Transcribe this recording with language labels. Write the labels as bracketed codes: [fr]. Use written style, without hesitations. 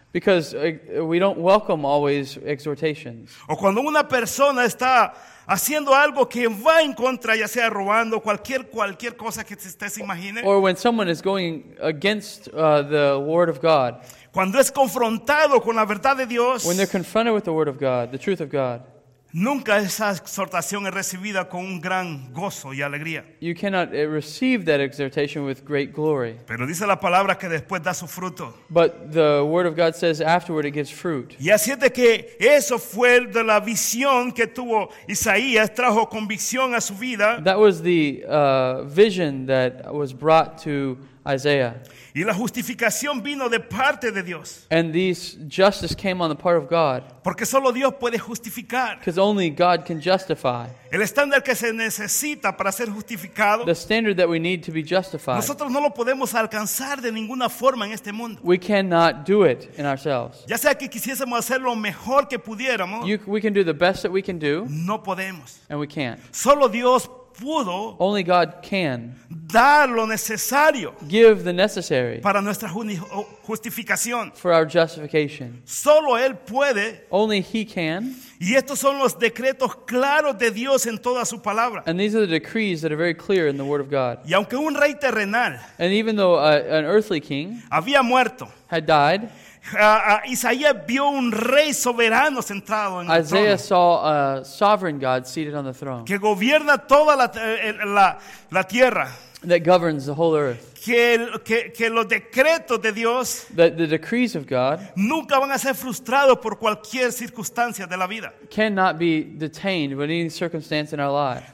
[en] Because we don't welcome always exhortations. [es] O cuando una persona está haciendo algo que va en contra, ya sea robando cualquier cosa que usted se imagine. [en] Or when someone is going against the word of God. [es] Cuando es confrontado con la verdad de Dios. [en] When they're confronted with the word of God, the truth of God. [es] Nunca esa exhortación es recibida con un gran gozo y alegría. [en] You cannot receive that exhortation with great glory. [es] Pero dice la palabra que después da su fruto. [en] But the word of God says afterward it gives fruit. [es] Y así es de que eso fue de la visión que tuvo Isaías, trajo convicción a su vida. [en] That was the vision that was brought to Isaiah. [es] Y la justificación vino de parte de Dios. [en] And this justice came on the part of God. [es] Porque solo Dios puede justificar. [en] Because only God can justify. [es] El estándar que se necesita para ser justificado. [en] The standard that we need to be justified. [es] Nosotros no lo podemos alcanzar de ninguna forma en este mundo. [en] We cannot do it in ourselves. [es] Ya sea que quisiésemos hacer lo mejor que pudiéramos. [en] We can do the best that we can do. [es] No podemos. [en] And we can't. [es] Solo Dios puede. pudo, [en] only God can, [es] dar lo necesario, [en] give the necessary, [es] para nuestra justificación, [en] for our justification. [es] Solo él puede, [en] only he can. [es] Y estos son los decretos claros de Dios en toda su palabra. [en] And these are the decrees that are very clear in the word of God. [es] Y aunque un rey terrenal, [en] and even though an earthly king, [es] había muerto, [en] had died, [es] Isaías vio un rey soberano sentado en [en] Isaiah [es] el trono. [en] Saw a sovereign God seated on the throne. [es] Que gobierna toda la tierra. [en] That governs the whole earth. [es] Que los decretos de Dios, [en] that the decrees of God, [es] nunca van a ser frustrados por cualquier circunstancia de la vida. [en] Cannot be detained by any circumstance in our life.